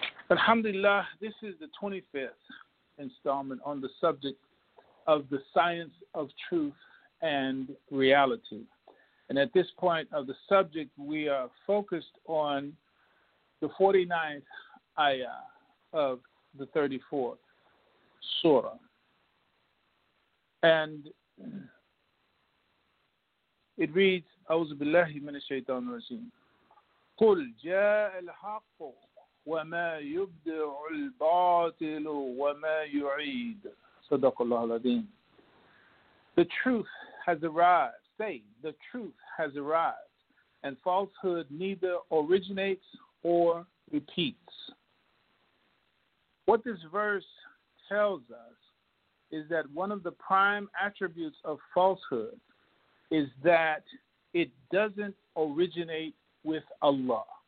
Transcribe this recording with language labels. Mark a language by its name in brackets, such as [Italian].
[English] Alhamdulillah, this is the 25th installment on the subject of the science of truth and reality. And at this point of the subject, we are focused on the 49th ayah of the 34th surah. And it reads, [Arabic] أعوذ بالله من الشيطان الرجيم. قل جاء الحق وما يبدع الباطل وما يعيد. صدق الله العظيم. [English] The truth has arrived. Say, the truth has arrived, and falsehood neither originates or repeats. What this verse tells us is that one of the prime attributes of falsehood is that it doesn't originate with Allah.